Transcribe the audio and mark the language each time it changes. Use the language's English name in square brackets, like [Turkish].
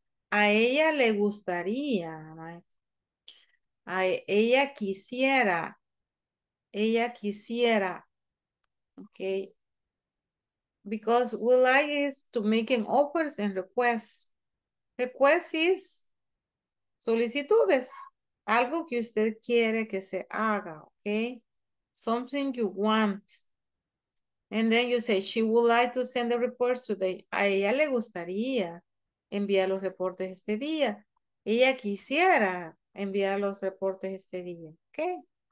[Spanish] A ella le gustaría, right? A ella quisiera. Ella quisiera, [English] okay? Because would like is to making offers and requests. Requests is solicitudes. [Spanish] Algo que usted quiere que se haga, okay? [English] Something you want. And then you say, she would like to send the reports today. [Spanish] A ella le gustaría enviar los reportes este día. Ella quisiera enviar los reportes este día, okay?